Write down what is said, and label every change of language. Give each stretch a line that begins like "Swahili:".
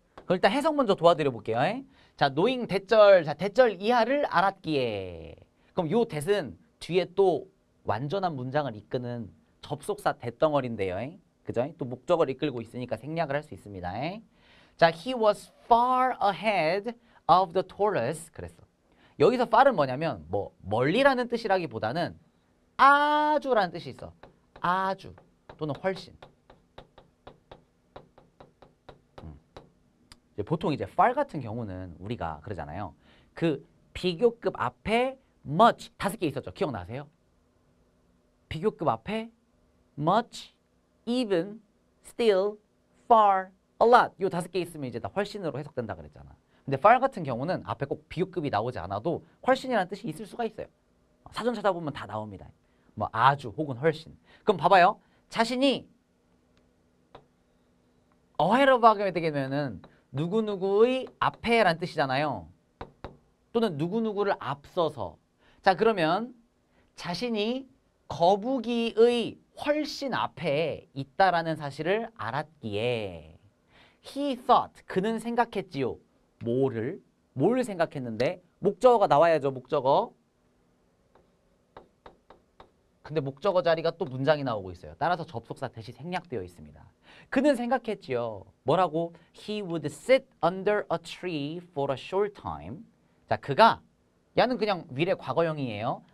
Korean: 일단 해석 먼저 도와드려 볼게요. 자, knowing 대절, 자, 대절 이하를 알았기에. 그럼 요 that은 뒤에 또 완전한 문장을 이끄는 접속사 that 덩어리인데요. 그죠? 또 목적을 이끌고 있으니까 생략을 할 수 있습니다. 자,
English: he was far ahead of the tortoise.
Korean: 그랬어. 여기서 far은 뭐냐면 뭐 멀리라는 뜻이라기보다는 아주라는 뜻이 있어. 아주 또는 훨씬. 이제 보통 이제 far 같은 경우는 우리가 그러잖아요. 그 비교급 앞에 much 다섯 개 있었죠. 기억나세요? 비교급 앞에 much, even, still, far, a lot. 이 다섯 개 있으면 이제 다 훨씬으로 해석된다 그랬잖아. 근데 far 같은 경우는 앞에 꼭 비교급이 나오지 않아도 훨씬이라는 뜻이 있을 수가 있어요. 사전 찾아보면 다 나옵니다. 뭐 아주 혹은 훨씬. 그럼 봐봐요. 자신이 ahead of 하게 되면은 누구누구의 앞에라는 뜻이잖아요. 또는 누구누구를 앞서서. 자, 그러면 자신이 거북이의 훨씬 앞에 있다라는 사실을 알았기에
English: he thought,
Korean: 그는 생각했지요. 뭐를? 뭘 생각했는데? 목적어가 나와야죠, 목적어. 근데 목적어 자리가 또 문장이 나오고 있어요. 따라서 접속사 대신 생략되어 있습니다. 그는 생각했지요. 뭐라고?
English: He would sit under a tree for a short time.
Korean: 자, 그가, 야는 그냥 미래 과거형이에요.